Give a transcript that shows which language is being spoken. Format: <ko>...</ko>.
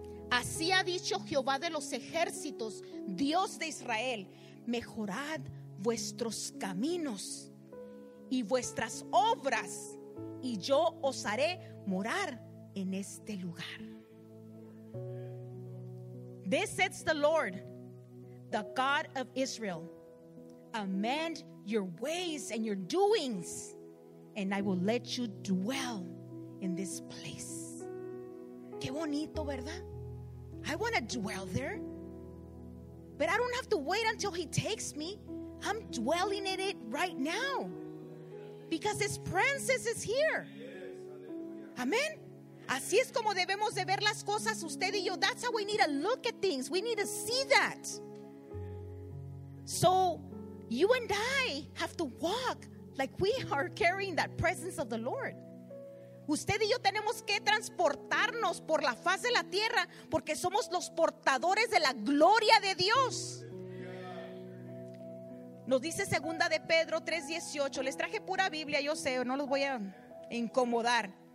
<es>Así ha dicho Jehová de los ejércitos, Dios de Israel, mejorad vuestros caminos y vuestras obras, y yo os haré morar en este lugar.</es> <en>This says the Lord, the God of Israel, amend your ways and your doings, and I will let you dwell in this place.</en> <es>Qué bonito, ¿verdad?</es> <en>I want to dwell there, but I don't have to wait until he takes me. I'm dwelling in it right now because his presence is here. Amen.</en> <es>Así es como debemos de ver las cosas, usted y yo.</es> <en>That's how we need to look at things. We need to see that. So you and I have to walk like we are carrying that presence of the Lord.</en> <es>Usted y yo tenemos que transportarnos por la faz de la tierra porque somos los portadores de la gloria de Dios. Nos dice segunda de Pedro 3:18. Les traje pura Biblia, yo sé, no los voy a incomodar.</es>